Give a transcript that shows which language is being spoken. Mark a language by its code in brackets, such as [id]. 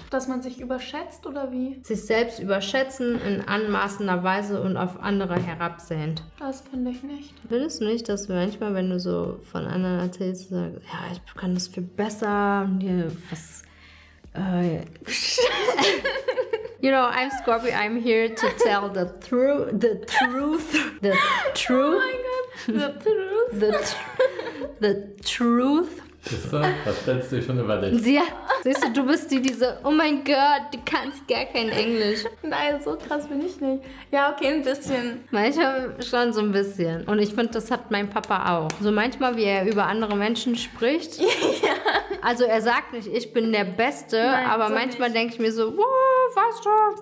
[de] Dass man sich überschätzt oder wie? Sich selbst überschätzen in anmaßender Weise und auf andere herabsehend. Das finde ich nicht. Findest du nicht, dass du manchmal, wenn du so von anderen erzählst, sagst, ja, ich kann das viel besser und dir was... [en] You know, I'm Scorpy, I'm here to tell the truth. [de] Was stellst du schon über dich? Ja. Siehst du, du bist diese, oh mein Gott, du kannst gar kein Englisch. Nein, so krass bin ich nicht. Ja, okay, ein bisschen. Manchmal schon so ein bisschen. Und ich finde, das hat mein Papa auch. So manchmal, wie er über andere Menschen spricht. Ja. Also er sagt nicht, ich bin der Beste, aber manchmal denke ich mir so, was du?